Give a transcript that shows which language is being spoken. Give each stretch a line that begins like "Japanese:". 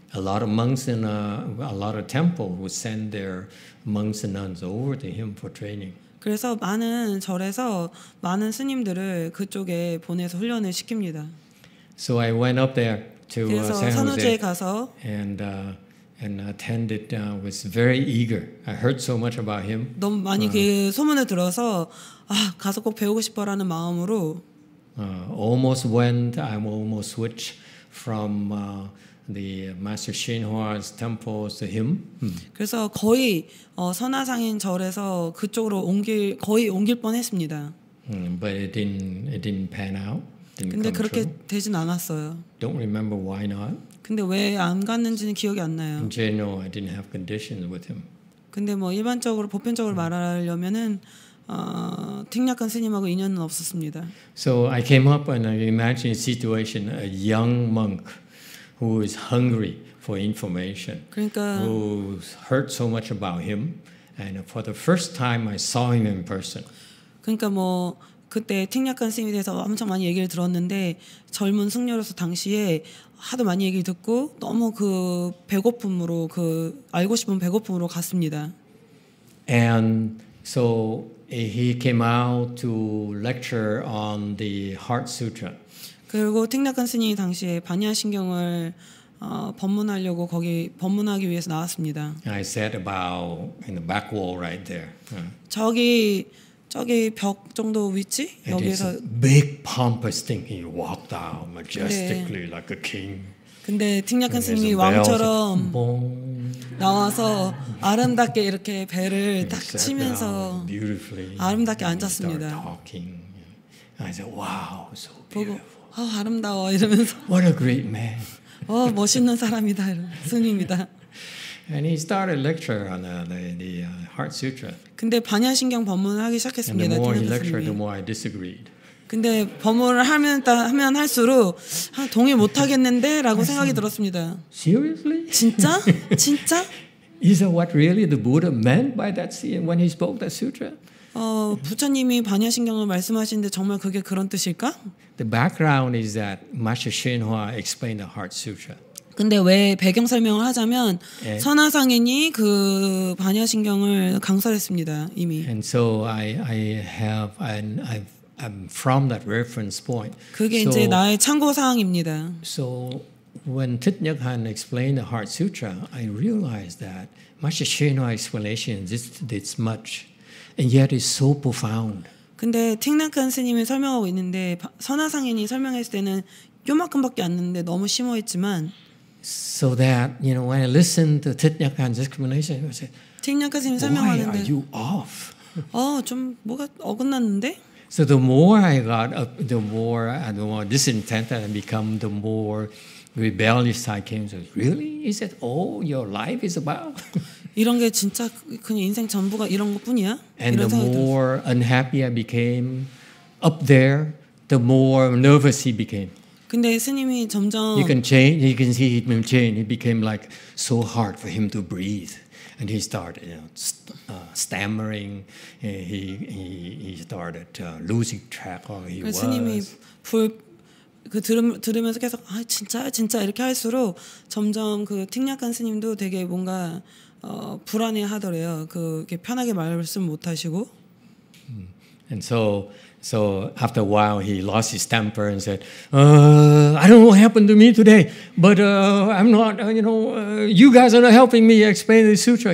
English: A lot of monks and a lot of temples would send their monks and nuns over to him for training.
Korean: 그래서 많은 절에서 많은 스님들을 그쪽에 보내서 훈련을 시킵니다.
English: So I went up there to San Jose
Korean: 가서
English: and attended was very eager. I heard so much about him.
Korean: 너무 많이 그 소문을 들어서 아, 가서 꼭 배우고 싶어라는 마음으로
English: almost went I almost switched from the Master Shinhua's temples to him.
Korean: 그래서 거의 선화상인 절에서 그쪽으로 거의 옮길 뻔했습니다.
English: But it didn't pan out. Didn't
Korean: 근데
English: come
Korean: 그렇게
English: true.
Korean: 되진 않았어요.
English: Don't remember why not.
Korean: 근데 왜 안 갔는지는 기억이 안 나요.
English: In general, I didn't have conditions with him.
Korean: 근데 뭐 일반적으로 보편적으로 말하려면은 팅략한 스님하고 인연은 없었습니다.
English: So I came up and I imagined a situation: a young monk who is hungry for information,
Korean: 그러니까,
English: who heard so much about him, and for the first time I saw him in person.
Korean: 그러니까 뭐 그때 팅략한 스님에 대해서 엄청 많이 얘기를 들었는데 젊은 승려로서 당시에 하도 많이 얘기 듣고 너무 그 배고픔으로 그 알고 싶은 배고픔으로 갔습니다.
English: And so he came out to lecture on the Heart Sutra.
Korean: 그리고 팅략한 스님이 당시에 반야신경을 법문하려고 거기 법문하기 위해서 나왔습니다.
English: I sat about in the back wall right there.
Korean: 저기 벽 정도 위치
English: It
Korean: 여기에서
English: big pompous thing. He walked out majestically 네. like a king.
Korean: 근데 팅략한 스님이 왕처럼 나와서 아름답게 이렇게 배를 딱 치면서 아름답게 앉았습니다.
English: I said, "Wow, so beautiful."
Korean: 아 아름다워 이러면서.
English: What a great man.
Korean: 어 멋있는 사람이다 스님이다.
English: And he started lecture on the Heart Sutra.
Korean: 근데 반야신경 법문을 하기 시작했습니다.
English: And the more he lectured, the more I disagreed.
Korean: 근데 법문을 하면 할수록 동의 못 하겠는데라고 생각이 들었습니다.
English: Seriously?
Korean: 진짜? 진짜?
English: Is that what really the Buddha meant by that when he spoke that sutra?
Korean: 부처님이 반야신경을 말씀하시는데 정말 그게 그런 뜻일까?
English: The background is that Master Shinhua explained the Heart Sutra.
Korean: 근데 왜 배경 설명을 하자면 선화상인이 그 반야신경을 강설했습니다 이미.
English: And so I'm from that reference point.
Korean: 그게 이제 나의 참고 사항입니다.
English: So when Thich Nhat Hanh explained the Heart Sutra, I realized that Master Shinhua's explanation is this much, and yet it's so profound.
Korean: 근데 팅락한 스님이 설명하고 있는데 선화상인이 설명했을 때는 요만큼밖에 안 했는데 너무 심오했지만.
English: So that you know, when I listened to Thich Nhat Hanh's explanation, I said,
Korean: 팅락한 스님이 설명하는데,
English: Why are you off?
Korean: 좀 뭐가 어긋났는데?
English: So the more I got up, the more discontented I become, the more rebellious I came. So really, is that all your life is about?
Korean: 이런 게 진짜 그냥 인생 전부가 이런 것뿐이야?
English: And the more unhappy I became up there, the more nervous he became.
Korean: 근데 스님이 점점
English: you can change. You can see him change. It became like so hard for him to breathe. And he started stammering. He started losing track of who he was.
Korean: 스님이 들으면서 계속 아 진짜 이렇게 할수록 점점 그 팅략한 스님도 되게 뭔가 불안해하더래요. 그게 편하게 말씀 못 하시고.
English: And so after a while, he lost his temper and said, "I don't know what happened to me today, but I'm not. You know, you guys are not helping me explain the sutra.